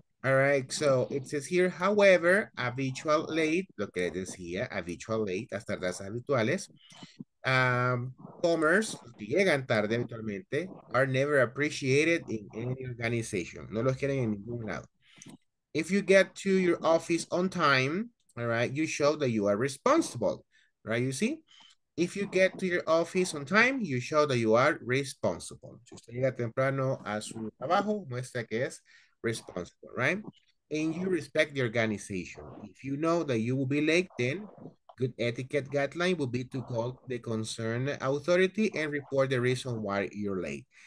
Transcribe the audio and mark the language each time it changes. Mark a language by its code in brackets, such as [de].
[en] All right, so it says here, however, habitual late, [es] lo que decía, [en] habitual late, [es] las tardes habituales, [en] comers, [es] que llegan tarde habitualmente, [en] are never appreciated in any organization. [es] No los quieren en ningún lado. [en] If you get to your office on time, all right, you show that you are responsible, right, you see? If you get to your office on time, you show that you are responsible. [es] Si usted llega temprano a su trabajo, muestra que es responsible, right? [en] And you respect the organization. If you know that you will be late, then good etiquette guideline will be to call the concerned authority and report the reason why you're late.